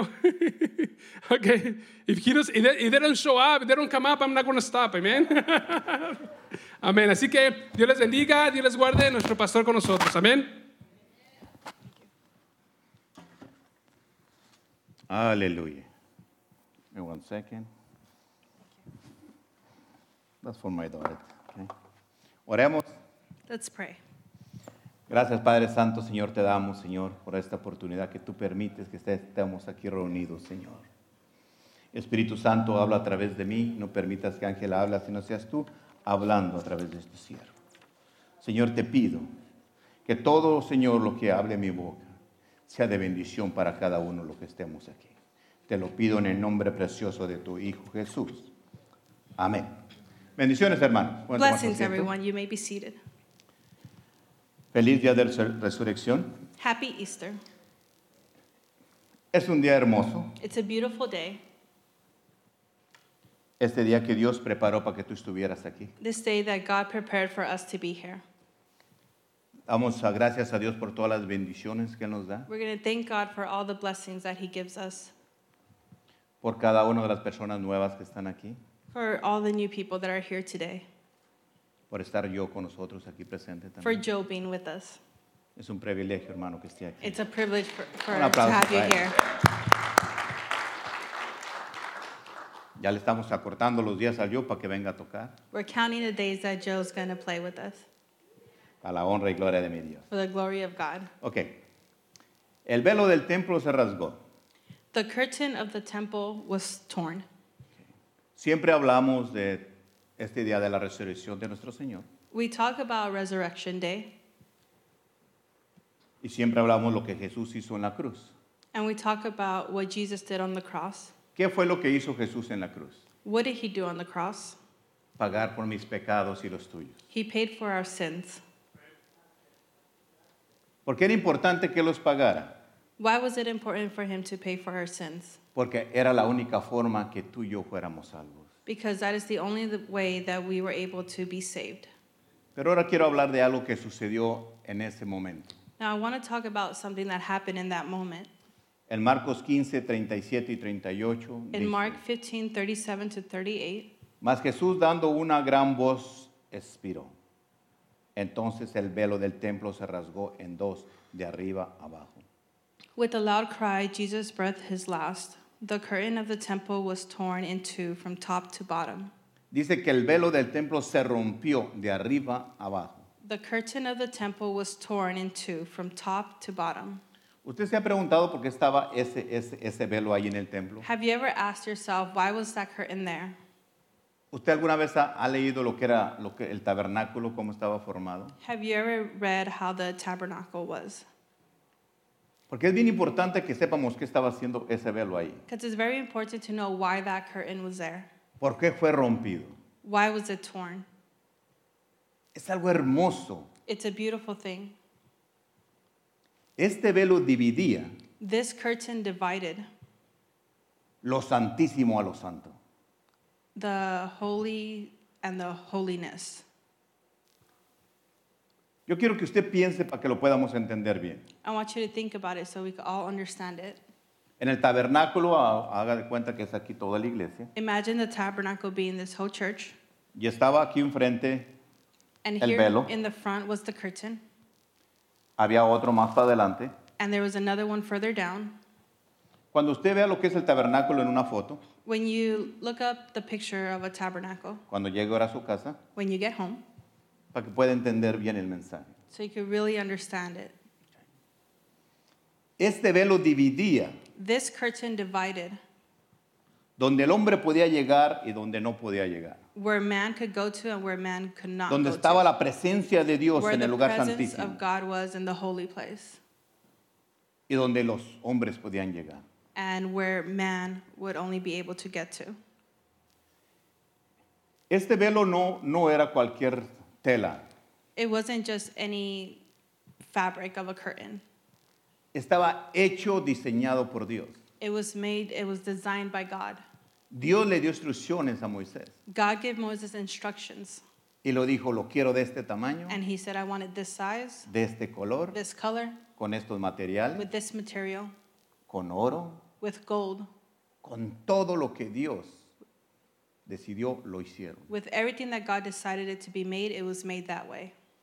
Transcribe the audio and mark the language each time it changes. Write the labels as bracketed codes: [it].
[en] Ok, if they don't come up, I'm not going to stop, amén. [es] Amén, así que Dios les bendiga, Dios les guarde, nuestro pastor con nosotros, amén. [en] Aleluya. Give me one second. That's for my daughter. Okay. [es] Oremos. [en] Let's pray. [es] Gracias, Padre Santo, Señor, te damos, Señor, por esta oportunidad que tú permites que estemos aquí reunidos, Señor. Espíritu Santo, habla a través de mí, no permitas que Ángela hable, sino seas tú hablando a través de este siervo. Señor, te pido que todo, Señor, lo que hable en mi boca sea de bendición para cada uno de los que estemos aquí. Te lo pido en el nombre precioso de tu Hijo Jesús. Amén. Bendiciones, hermanos. [en] Blessings, everyone. You may be seated. [es] Feliz Día de Resurrección. [en] Happy Easter. [es] Es un día hermoso. [en] It's a beautiful day. [es] Este día que Dios preparó para que tú estuvieras aquí. [en] This day that God prepared for us to be here. [es] Damos gracias a Dios por todas las bendiciones que nos da. [en] We're going to thank God for all the blessings that he gives us. [es] Por cada una de las personas nuevas que están aquí. [en] For all the new people that are here today. [es] Por estar yo con nosotros aquí presente también. [en] For Joe being with us. [es] Es un privilegio, hermano, que esté aquí. [en] It's a privilege for to have you here. [es] Ya le estamos acortando los días a Joe para que venga a tocar. [en] We're counting the days that Joe's going to play with us. [es] A la honra y gloria de mi Dios. [en] For the glory of God. [es] Okay. El velo del templo se rasgó. [en] The curtain of the temple was torn. Okay. [es] Siempre hablamos de este día de la resurrección de nuestro Señor. [en] We talk about Resurrection Day. [es] Y siempre hablamos lo que Jesús hizo en la cruz. [en] And we talk about what Jesus did on the cross. [es] ¿Qué fue lo que hizo Jesús en la cruz? [en] What did he do on the cross? [es] Pagar por mis pecados y los tuyos. [en] He paid for our sins. [es] ¿Por qué era importante que los pagara? [en] Why was it important for him to pay for our sins? [es] Porque era la única forma que tú y yo fuéramos salvos. [en] Because that is the only way that we were able to be saved. [es] Pero ahora quiero hablar de algo que sucedió en ese momento. [en] Now I want to talk about something that happened in that moment. [es] En Marcos 15:37-38. [en] In Mark 15:37-38. [es] Mas Jesús dando una gran voz expiró. Entonces el velo del templo se rasgó en dos, de arriba abajo. [en] With a loud cry, Jesus breathed his last. The curtain of the temple was torn in two from top to bottom. [es] Dice que el velo del templo se rompió de arriba abajo. [en] The curtain of the temple was torn in two from top to bottom. [es] ¿Usted se ha preguntado por qué estaba ese velo ahí en el templo? [en] Have you ever asked yourself why was that curtain there? [es] ¿Usted alguna vez ha leído lo que el tabernáculo cómo estaba formado? [en] Have you ever read how the tabernacle was? [es] Porque es bien importante que sepamos qué estaba haciendo ese velo ahí. [en] Because it's very important to know why that curtain was there. [es] ¿Por qué fue rompido? [en] Why was it torn? [es] Es algo hermoso. [en] It's a beautiful thing. [es] Este velo dividía. [en] This curtain divided. [es] Lo santísimo a lo santo. [en] The holy and the holiness. [es] Yo quiero que usted piense para que lo podamos entender bien. [en] I want you to think about it so we can all understand it. [es] En el tabernáculo, haga de cuenta que es aquí toda la iglesia. [en] Imagine the tabernacle being this whole church. [es] Y estaba aquí enfrente [en] and [es] el velo. [en] And here in the front was the curtain. [es] Había otro más para adelante. [en] And there was another one further down. [es] Cuando usted vea lo que es el tabernáculo en una foto. [en] When you look up the picture of a tabernacle. [es] Cuando llegue ahora a su casa. [en] When you get home. [es] Para que pueda entender bien el mensaje. [en] So you can really understand it. [es] Este velo dividía. [en] This curtain divided. [es] Donde el hombre podía llegar y donde no podía llegar. [en] Where man could go to and where man could not go to. [es] Donde estaba la presencia de Dios en el lugar santísimo. [en] Where the presence of God was in the holy place. [es] Y donde los hombres podían llegar. [en] And where man would only be able to get to. [es] Este velo no era cualquier tela. [en] It wasn't just any fabric of a curtain. [es] Estaba hecho, diseñado por Dios. [en] It was designed by God. [es] Dios le dio instrucciones a Moisés. [en] God gave Moses instructions. [es] Y lo dijo, lo quiero de este tamaño. [en] And he said, I want it this size. [es] De este color. [en] This color. [es] Con estos materiales. [en] With this material. [es] Con oro. [en] With gold. [es] Con todo lo que Dios decidió, lo hicieron. [en] With everything that God decided it to be made, it was made that way.